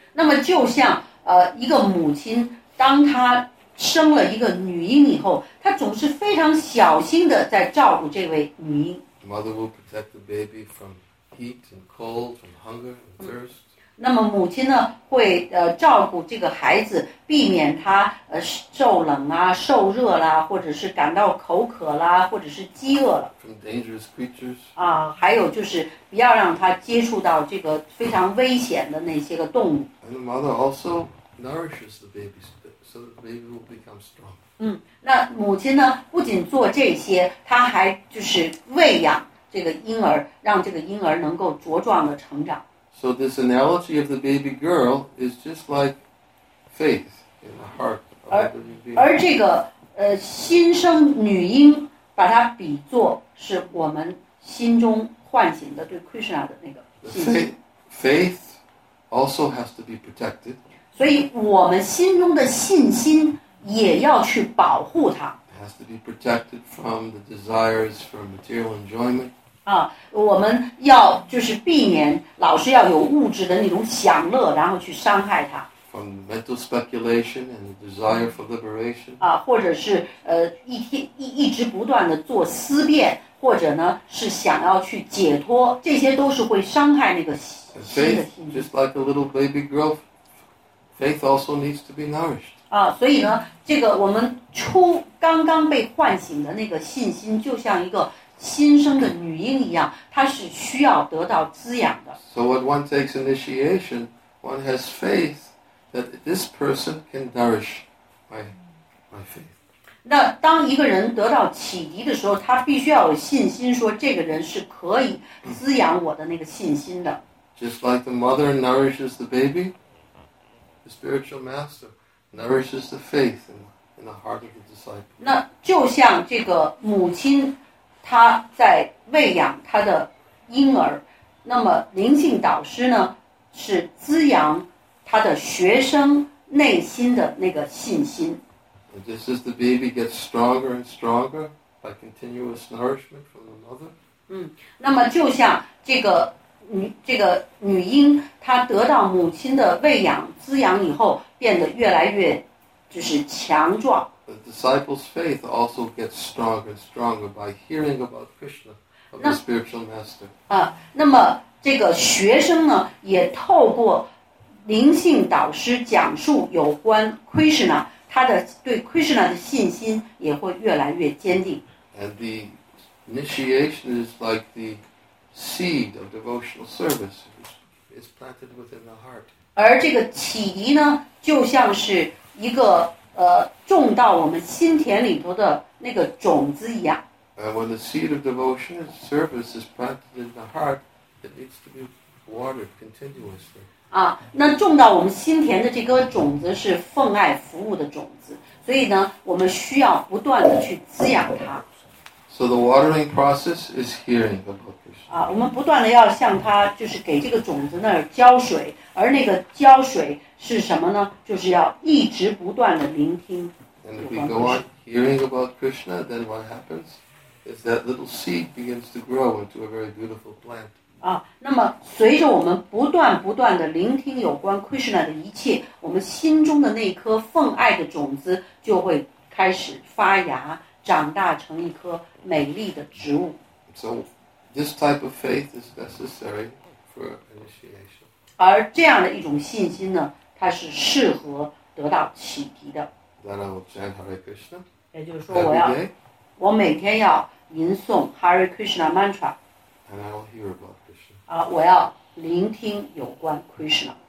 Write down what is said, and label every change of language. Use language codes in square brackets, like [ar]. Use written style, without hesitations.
[zh] 那么就像一个母亲，当她生了一个女婴以后，她总是非常小心的在照顾这位女婴。 [en] Mother will protect the baby from heat and cold, from hunger and thirst. [zh] 那么母亲呢会照顾这个孩子，避免他受冷啊、受热啦，或者是感到口渴啦，或者是饥饿了。 [en] From dangerous creatures. [zh] 啊，还有就是不要让他接触到这个非常危险的那些个动物。 [en] And the mother also nourishes the baby, so the baby will become strong. [zh] 嗯，那母亲呢不仅做这些，她还就是喂养这个婴儿，让这个婴儿能够茁壮的成长。 [en] So this analogy of the baby girl is just like faith in the heart of the baby. [zh] 而这个新生女婴把它比作是我们心中唤醒的对 Krishna 的那个信心。 [en] Faith also has to be protected. [zh] 所以我们心中的信心也要去保护它。 [en] It has to be protected from the desires for material enjoyment. [zh] 啊，我们要就是避免老是要有物质的那种享乐，然后去伤害它。 [en] From mental speculation and the desire for liberation. [zh] 啊，或者是一直不断的做思辨，或者呢是想要去解脱，这些都是会伤害那个心的心。 [en] Faith, just like a little baby girl, faith also needs to be nourished. [zh] 啊，所以呢，这个我们初刚刚被唤醒的那个信心，就像一个。新生的女婴一样，她是需要得到滋养的。 [en] So when one takes initiation, one has faith that this person can nourish my faith. [zh] 那当一个人得到启迪的时候，他必须要有信心，说这个人是可以滋养我的那个信心的。 [en] Just like the mother nourishes the baby, the spiritual master nourishes the faith in the heart of the disciple. [zh] 那就像这个母亲。他在喂养他的婴儿，那么灵性导师呢，是滋养他的学生内心的那个信心。 [en] Just as the baby gets stronger and stronger by continuous nourishment from the mother. [zh] 那么就像这个女婴，她得到母亲的喂养滋养以后，变得越来越就是强壮。 [en] The disciple's faith also gets stronger and stronger by hearing about Krishna, of the spiritual master. [zh] 那么这个学生呢，也透过灵性导师讲述有关 Krishna, 他的对 Krishna 的信心也会越来越坚定。 [en] And the initiation is like the seed of devotional service, is planted within the heart. [zh] 而这个启迪呢，就像是一个。种到我们心田里头的那个种子一样。 [en] And when the seed of devotion and service is planted in the heart, it needs to be watered continuously. [zh] 啊，那种到我们心田的这颗种子是奉爱服务的种子，所以呢，我们需要不断的去滋养它。 [en] So the watering process is hearing about Krishna. [zh] 啊，我们不断的要向它，就是给这个种子那儿浇水，而那个浇水。是什么呢？就是要一直不断的聆听。 [en] And if we go on hearing about Krishna, then what happens is that little seed begins to grow into a very beautiful plant. [zh] 啊，那么随着我们不断不断的聆听有关 Krishna 的一切，我们心中的那颗奉爱的种子就会开始发芽，长大成一棵美丽的植物。 [en] So this type of faith is necessary for initiation. [zh] 而这样的一种信心呢，它是适合得到启迪的。 [en] Then I will chant Hare Krishna. [zh] 也就是说，我每天要吟诵 Hare Krishna mantra. [en] And I will hear about Krishna. [zh] 啊，我要聆听有关 Krishna.